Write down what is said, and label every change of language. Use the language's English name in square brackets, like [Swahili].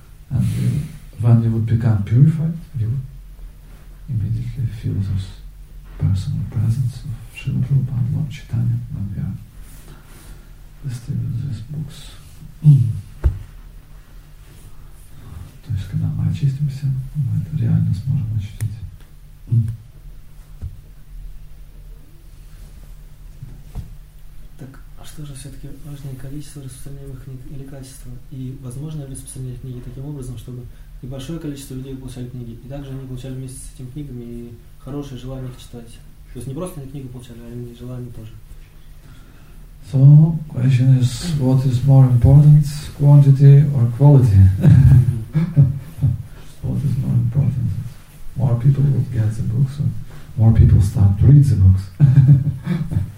[English] And when you would become purified, you immediately feel this personal presence of Srila Prabhupada, Lord Chaitanya, when we are distributing these books. [Russian] То есть, когда мы очистимся, мы это реально сможем ощутить. Так, а что? что же все-таки важнее, количество распространяемых книг или качество? И возможно ли распространять книги таким образом, чтобы небольшое количество людей получали книги, и также они получали вместе с этими книгами и хорошее желание их читать? То есть не просто они книгу получали, а они желание тоже. [English] So, question is, what is more important, quantity or quality? What is more important? More people would get the books, or more people start to read the books.